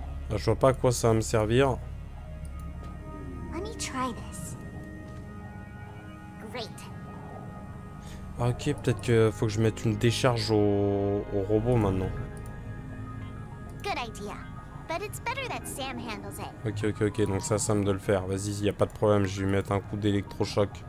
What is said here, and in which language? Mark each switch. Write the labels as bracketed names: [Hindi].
[French] Je vois pas à quoi ça va me servir. [English] Let me try this. Great. [French] Ok, peut-être que faut que je mette une décharge au robot maintenant. [English] Good idea. But it's better that Sam handles it. [French] Ok, donc c'est à Sam de le faire. Vas-y, il n'y a pas de problème, je vais lui mettre un coup d'électrochoc.